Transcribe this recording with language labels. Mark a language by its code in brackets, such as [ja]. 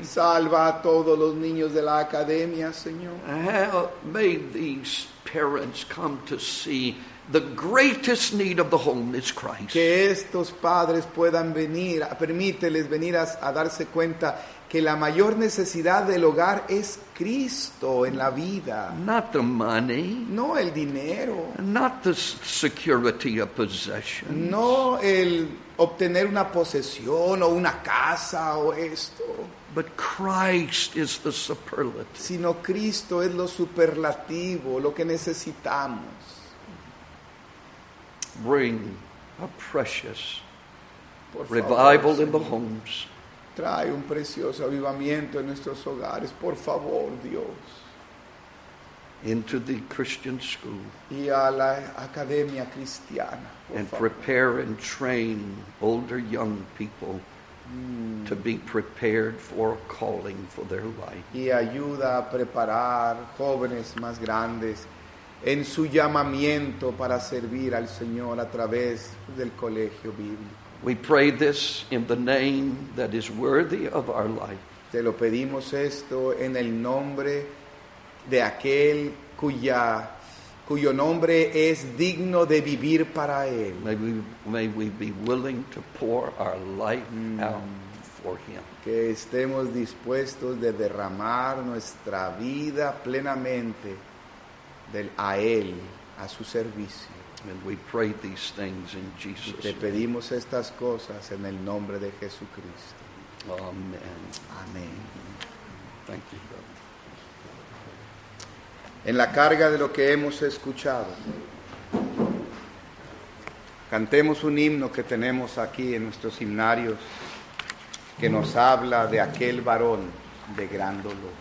[es] Salva a todos los niños de la academia, Señor. [en] May these parents come to see the greatest need of the home is Christ. [es] Que estos padres puedan venir, permíteles venir a darse cuenta que la mayor necesidad del hogar es Cristo en la vida. [en] Not the money. [es] No el dinero. [en] Not the security of possessions. [es] No el obtener una posesión o una casa o esto. [en] But Christ is the superlative. [es] Sino Cristo es lo superlativo, lo que necesitamos. [en] Bring a precious revival in the homes. [es] Trae un precioso avivamiento en nuestros hogares, por favor, Dios. [en] Into the Christian school. [es] Y a la academia cristiana. [en] And prepare and train older young people to be prepared for a calling for their life. [es] Y ayuda a preparar jóvenes más grandes en su llamamiento para servir al Señor a través del colegio bíblico. [en] We pray this in the name that is worthy of our life. [es] Te lo pedimos esto en el nombre de aquel cuyo nombre es digno de vivir para él. [en] May we be willing to pour our life out for him. [es] Que estemos dispuestos de derramar nuestra vida plenamente a él, a su servicio. [en] And we pray these things in Jesus' name. [es] Te pedimos estas cosas en el nombre de Jesucristo. [en] Amen. [es] Amen. [en] Thank you, brother. [es] En la carga de lo que hemos escuchado, Cantemos un himno que tenemos aquí en nuestros himnarios que nos habla de aquel varón de gran dolor.